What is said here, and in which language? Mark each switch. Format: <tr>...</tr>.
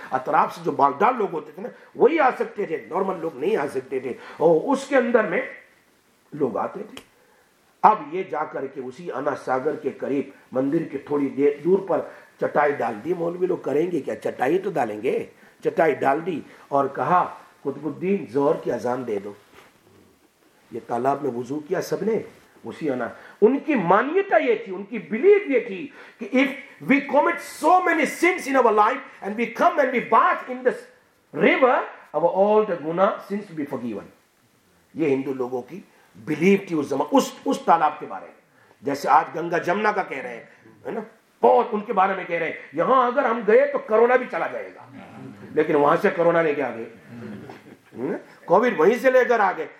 <ur>اطراف سے جو بالدار لوگ ہوتے تھے نا وہی آ سکتے تھے, نارمل لوگ نہیں آ سکتے تھے, اور اس کے اندر میں لوگ آتے تھے. اب یہ جا کر کے اسی انا ساگر کے قریب مندر کے تھوڑی دور پر چٹائی ڈال دی, مولوی لوگ کریں گے کیا, چٹائی تو ڈالیں گے, چٹائی ڈال دی اور کہا قطب الدین زہر کی اذان دے دو. یہ تالاب میں وضو کیا سب نے, اسی انا, ان کی مانیتا یہ تھی, ان کی بلیف یہ تھی کہ</ur> <en>if we commit so many sins in our life and we come and we bath in this river, our all the guna sins will be forgiven.</en> <ur>یہ ہندو لوگوں کی بلیف تھی اس زمانے, اس تالاب کے بارے میں, جیسے آج گنگا جمنا کا کہہ رہے ہیں نا, بہت ان کے بارے میں کہہ رہے ہیں, یہاں اگر ہم گئے تو کرونا بھی چلا جائے گا, لیکن وہاں سے کرونا لے کے آ گئے, کووڈ وہیں سے لے کر آ گئے.</ur>